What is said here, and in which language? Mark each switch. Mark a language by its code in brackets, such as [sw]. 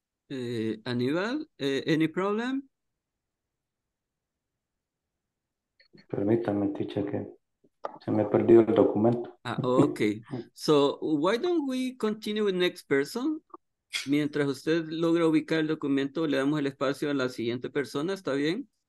[en] Aníbal, any problem? [es] Permítame, teacher, que se me ha perdido el documento. [en] Ah, okay. So, why don't we continue with next person? [es] Mientras usted logra ubicar el documento, le damos el espacio a la siguiente persona, ¿está bien?